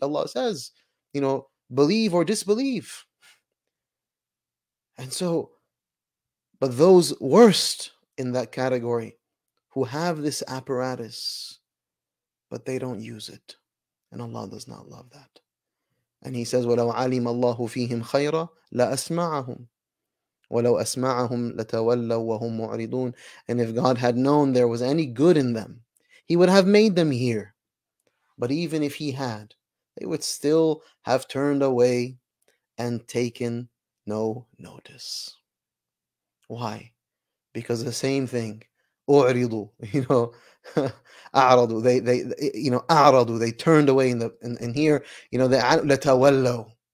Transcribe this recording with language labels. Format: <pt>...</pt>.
<en>Allah says, you know, believe or disbelieve. And so, but those worst in that category, who have this apparatus, but they don't use it. And Allah does not love that. And he says,</en> <ar>وَلَوْ عَلِمَ اللَّهُ فِيهِمْ خَيْرًا لَأَسْمَعَهُمْ وَلَوْ أَسْمَعَهُمْ لَتَوَلَّوْا وَهُمْ مُعْرِضُونَ.</ar> <en>And if God had known there was any good in them, he would have made them hear. But even if he had, they would still have turned away and taken no notice. Why? Because the same thing, أُعْرِضُوا, you know, أَعْرَضُوا, they أَعْرَضُوا, they turned away in here, you know, لَتَوَلَّوا.</en>